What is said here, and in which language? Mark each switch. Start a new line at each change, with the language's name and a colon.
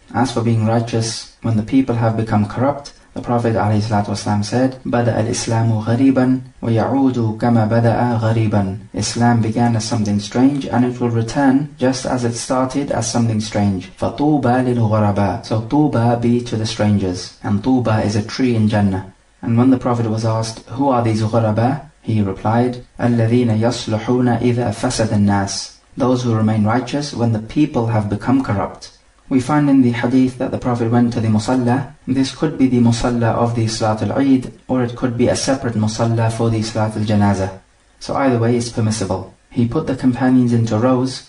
English: As for being righteous, when the people have become corrupt, the Prophet ﷺ said,
Arabic: بَدَأَ الْإِسْلَامُ غَرِيبًا وَيَعُودُ كَمَا بَدَأَ غَرِيبًا.
English: Islam began as something strange, and it will return just as it started as something strange.
Arabic: فَطُوبَى لِلْغُرَبَى.
English: So طُوبَى be to the strangers. And طُوبَى is a tree in Jannah. And when the Prophet was asked, who are these غُرَبَى? He replied,
Arabic: الَّذِينَ يَصْلُحُونَ إِذَا فَسَدَ النَّاسِ.
English: Those who remain righteous when the people have become corrupt. We find in the hadith that the Prophet went to the Musalla. This could be the Musalla of the Salat al-Eid, or it could be a separate Musalla for the Salat al-Janazah. So either way is permissible. He put the companions into rows.